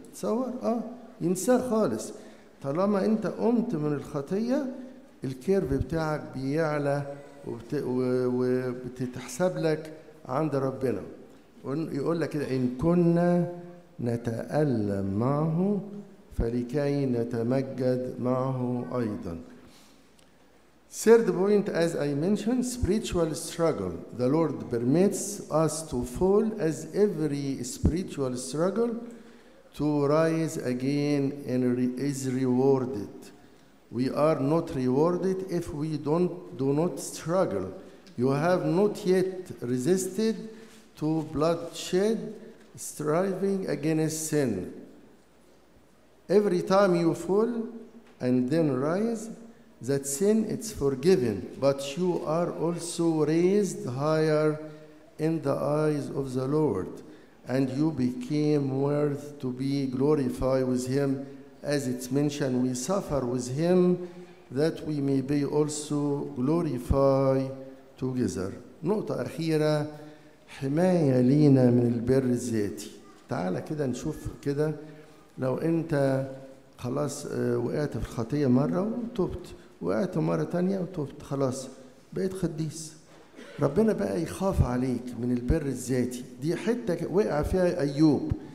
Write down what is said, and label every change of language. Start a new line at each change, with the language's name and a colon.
Arabic: تصور ينساه خالص. طالما انت قمت من الخطيه الكيرف بتاعك بيعلى وبتتحسب لك عند ربنا. يقول لك كده: ان كنا نتالم معه فلكي نتمجد معه ايضا.
English: Third point, as I mentioned, spiritual struggle. The Lord permits us to fall, as every spiritual struggle, to rise again and is rewarded. We are not rewarded if we do not struggle. You have not yet resisted to bloodshed, striving against sin. Every time you fall and then rise, that sin is forgiven, but you are also raised higher in the eyes of the Lord, and you became worth to be glorified with him. As it's mentioned, we suffer with him that we may be also glorified together.
Arabic: نقطة أخيرة, حماية لينا من البر الذاتي. تعال كده نشوف كده, لو أنت خلاص وقعت في الخطية مرة وتوبت, وقعت مرة تانية وتوبت, خلاص بقيت خديس. ربنا بقى يخاف عليك من البر الذاتي. دي حتة وقع فيها أيوب.